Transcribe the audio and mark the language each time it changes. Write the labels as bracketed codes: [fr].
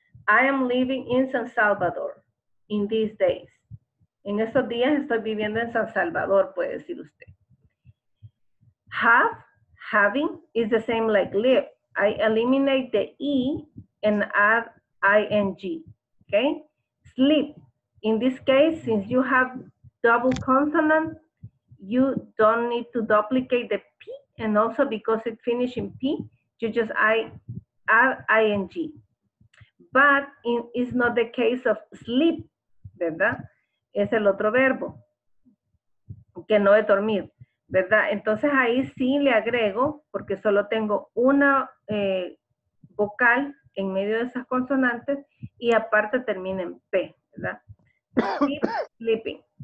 [en] I am living in San Salvador in these days. [es] En estos días estoy viviendo en San Salvador, puede decir usted. [en] Have, having is the same like live. I eliminate the E and add ing. Okay? Sleep. In this case, since you have double consonant, you don't need to duplicate the P, and also because it finishes in P, you just add ing. But it is not the case of sleep, [es] ¿verdad? Es el otro verbo, que no es dormir, ¿verdad? Entonces ahí sí le agrego, porque solo tengo una vocal en medio de esas consonantes, y aparte termina en P, ¿verdad? Sleeping.